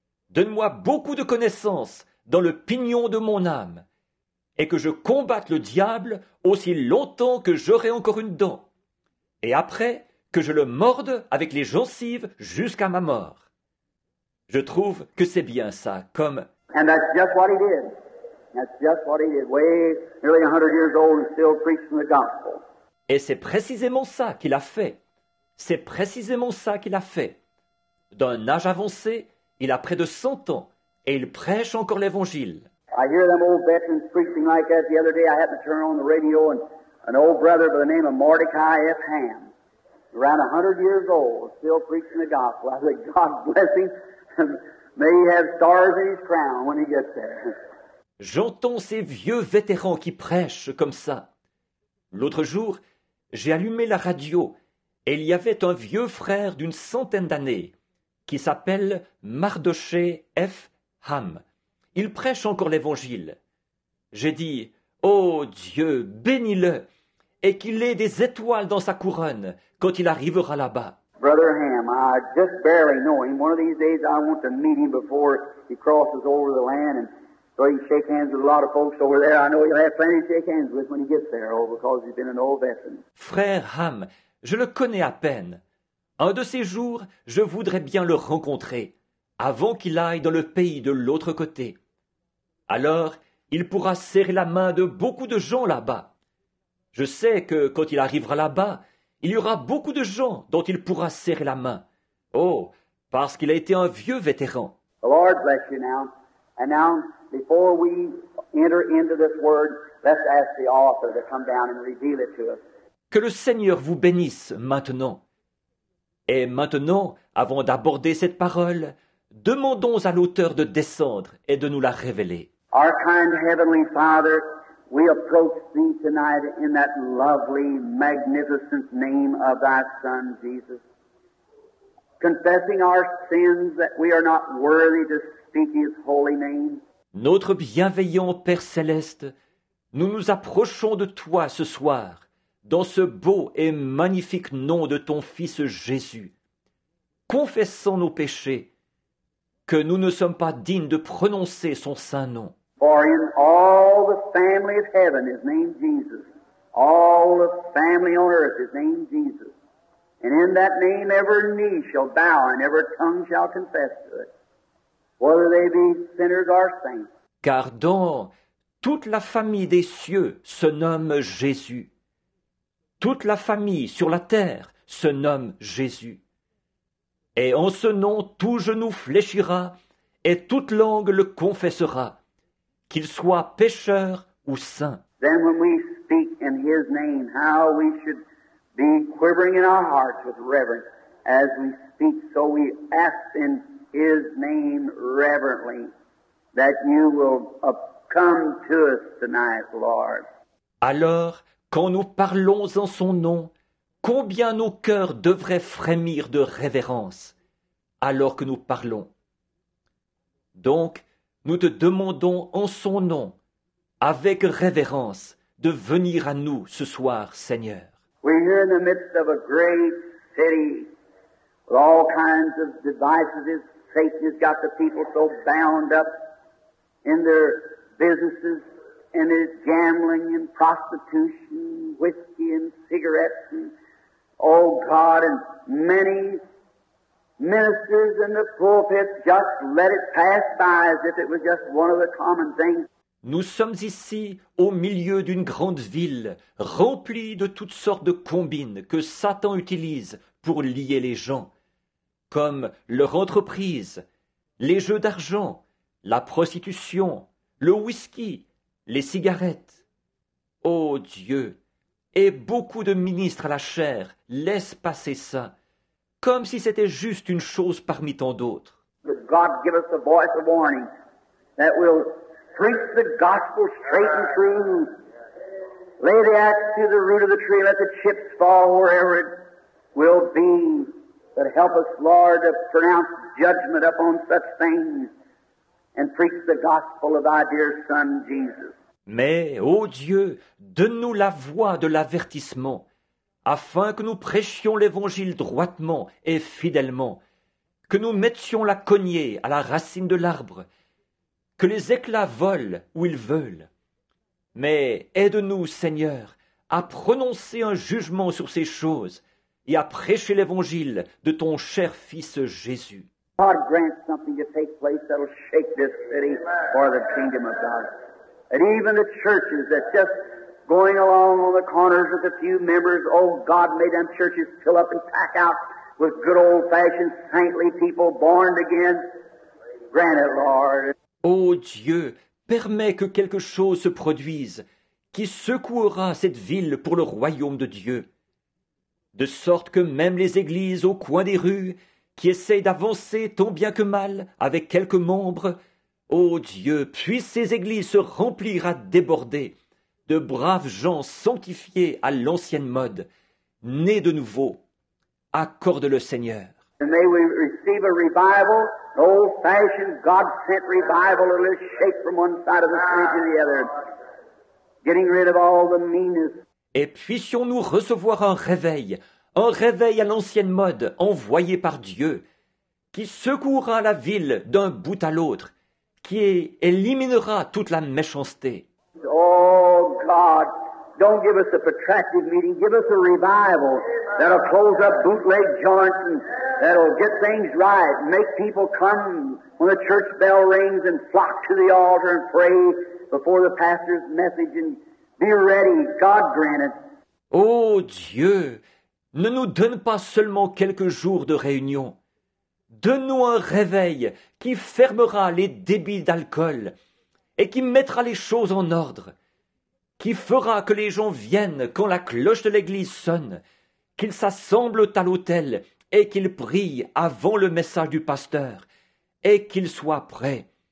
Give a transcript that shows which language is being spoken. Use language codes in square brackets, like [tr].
[fr] Donne-moi beaucoup de connaissances dans le pignon de mon âme et que je combatte le diable aussi longtemps que j'aurai encore une dent. Et après, que je le morde avec les gencives jusqu'à ma mort. Je trouve que c'est bien ça, comme... [en] And that's just what he did. That's just what he did. Way, nearly 100 years old, still preaching the gospel. [fr] Et c'est précisément ça qu'il a fait. C'est précisément ça qu'il a fait. D'un âge avancé, il a près de 100 ans, et il prêche encore l'évangile. [en] I hear them old veterans preaching like that the other day. I happened to turn on the radio, and an old brother by the name of Mordecai F. Ham. Around 100 years old, still preaching the gospel. I said, God bless him. May he have stars in his crown when he gets there. [fr] J'entends ces vieux vétérans qui prêchent comme ça. L'autre jour, j'ai allumé la radio et il y avait un vieux frère d'une centaine d'années qui s'appelle Mardoché F. Ham. Il prêche encore l'évangile. J'ai dit, oh Dieu, bénis-le et qu'il ait des étoiles dans sa couronne quand il arrivera là-bas. [en] Brother Ham, I just barely know him. One of these days I want to meet him before he crosses over the land, and so he shake hands with a lot of folks over there. I know he'll have plenty to shake hands with when he gets there, oh, because he's been an old veteran. [fr] Frère Ham, je le connais à peine. Un de ces jours, je voudrais bien le rencontrer avant qu'il aille dans le pays de l'autre côté. Alors, il pourra serrer la main de beaucoup de gens là-bas. Je sais que quand il arrivera là-bas, il y aura beaucoup de gens dont il pourra serrer la main. Oh, parce qu'il a été un vieux vétéran. [en] The Lord bless you now. And now, before we enter into this word, let's ask the author to come down and reveal it to us. [fr] Que le Seigneur vous bénisse maintenant. Et maintenant, avant d'aborder cette parole, demandons à l'auteur de descendre et de nous la révéler. [en] Our kind Heavenly Father, we approach thee tonight in that lovely, magnificent name of thy Son, Jesus, confessing our sins that we are not worthy to speak his holy name. [fr] Notre bienveillant Père Céleste, nous nous approchons de toi ce soir, dans ce beau et magnifique nom de ton Fils Jésus, confessant nos péchés, que nous ne sommes pas dignes de prononcer son saint nom. [en] For in all the family of heaven is named Jesus. All the family on earth is named Jesus. And in that name every knee shall bow and every tongue shall confess to it, whether they be sinners or saints. [fr] Car dans toute la famille des cieux se nomme Jésus. Toute la famille sur la terre se nomme Jésus. Et en ce nom tout genou fléchira et toute langue le confessera. Qu'il soit pécheur ou saint. [en] Then when we speak in his name, how we should be quivering in our hearts with reverence. As we speak, so we ask in his name reverently that you will come to us tonight, Lord. [fr] Alors, quand nous parlons en son nom, combien nos cœurs devraient frémir de révérence alors que nous parlons. Donc, nous te demandons en son nom, avec révérence, de venir à nous ce soir, Seigneur. [en] We're here in the midst of a great city with all kinds of devices. Satan has got the people so bound up in their businesses and his gambling and prostitution, whiskey and cigarettes and, oh God, and many ministers in the pulpit just let it pass by as if it was just one of the common things. [fr] Nous sommes ici au milieu d'une grande ville, remplie de toutes sortes de combines que Satan utilise pour lier les gens, comme leur entreprise, les jeux d'argent, la prostitution, le whisky, les cigarettes. Ô Dieu, et beaucoup de ministres à la chair laissent passer ça, comme si c'était juste une chose parmi tant d'autres. [en] God give us a voice of warning that will preach the gospel straight and true. Lay the axe to the root of the tree, let the chips fall wherever it will be. But help us, Lord, to pronounce judgment upon such things and preach the gospel of thy dear Son, Jesus. [fr] Mais, ô Dieu, donne-nous la voix de l'avertissement, afin que nous prêchions l'évangile droitement et fidèlement, que nous mettions la cognée à la racine de l'arbre, que les éclats volent où ils veulent. Mais aide-nous, Seigneur, à prononcer un jugement sur ces choses et à prêcher l'évangile de ton cher Fils Jésus. [en] God grant something to take place that'll shake this city for the kingdom of God. And even the churches that just going along on the corners with a few members, oh God, may them churches fill up and pack out with good old-fashioned saintly people born again. Grant it, Lord. [fr] Ô Dieu, permets que quelque chose se produise qui secouera cette ville pour le royaume de Dieu, de sorte que même les églises au coin des rues qui essayent d'avancer tant bien que mal avec quelques membres, ô Dieu, puissent ces églises se remplir à déborder de braves gens sanctifiés à l'ancienne mode, nés de nouveau. Accorde-le, Seigneur. [en] And may we receive a revival, an old-fashioned, God-sent revival that will shake from one side of the street to the other, getting rid of all the meanness. [fr] Et puissions-nous recevoir un réveil à l'ancienne mode envoyé par Dieu, qui secourra la ville d'un bout à l'autre, qui éliminera toute la méchanceté. [en] Oh, God, don't give us a protracted meeting, give us a revival that'll close up bootleg joints and that'll get things right, make people come when the church bell rings and flock to the altar and pray before the pastor's message and be ready, God grant it. [fr] Oh Dieu, ne nous donne pas seulement quelques jours de réunion. Donne-nous un réveil qui fermera les débits d'alcool et qui mettra les choses en ordre, qui fera que les gens viennent quand la cloche de l'église sonne, qu'ils s'assemblent à l'autel et qu'ils prient avant le message du pasteur, et qu'ils soient prêts.